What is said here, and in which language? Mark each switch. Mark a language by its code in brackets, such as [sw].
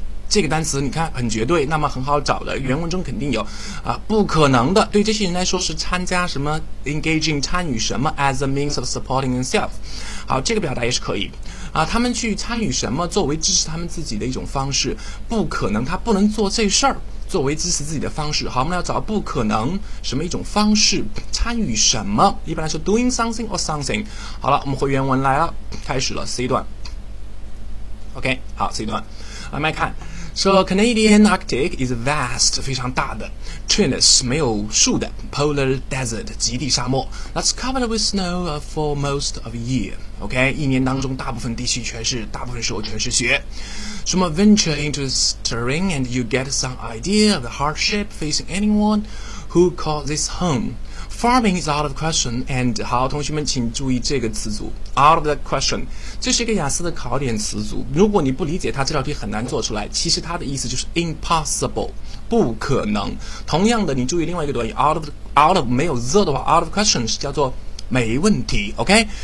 [zh] 这个单词你看很绝对，那么很好找的，原文中肯定有啊，不可能的，对这些人来说是参加什么 engaging 参与什么 [en] as a means of supporting themselves， [zh] 好，这个表达也是可以啊，他们去参与什么作为支持他们自己的一种方式，不可能，他不能做这事儿。作为支持自己的方式，好，我们要找不可能什么一种方式，参与什么，一般来说 [en] doing something or something。 [zh] 好了，我们回原文来了，开始了 C 段 OK， 好 C 段来麦看，说 [en] Canadian Arctic is vast， [zh] 非常大的 trinus 没有树的 polar desert 极地沙漠 [en] that's covered with snow for most of year [zh] OK， 一年当中大部分地区全是，大部分时候全是雪，什么 [en] venture into this terrain and you get some idea of the hardship facing anyone who calls this home. Farming is out of question and [zh] 好，同学们请注意这个词组 out of the question， 这是一个雅思的考点词组，如果你不理解它，这道题很难做出来，其实它的意思就是 impossible， 不可能。同样的，你注意另外一个短语 out of 没有 the 的话， out of question 是叫做没问题 OK。